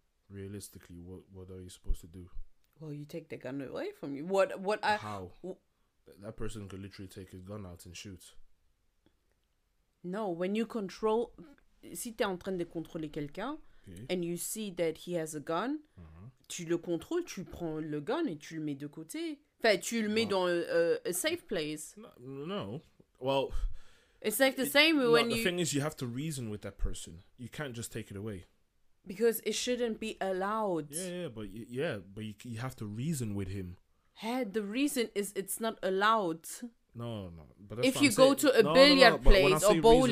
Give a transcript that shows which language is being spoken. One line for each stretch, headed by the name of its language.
English: Realistically, what are you supposed to do? Well, you take the gun away from you. What I how? That person could literally take his gun out and shoot. No, when you control,
French: si t'es en train de contrôler quelqu'un,
English: okay. and you see that he has a gun, mm-hmm.
French: tu le contrôles, tu prends le gun et tu le mets de côté. Enfin, tu le mets dans
English: a safe place. No, well, it's like the same when the thing is, you have to reason with that person. You can't just take it away. Because it shouldn't be allowed. Yeah, but you have to reason with him. Hey, the reason is it's not allowed. No. But that's if you go to a billiard place or bowling,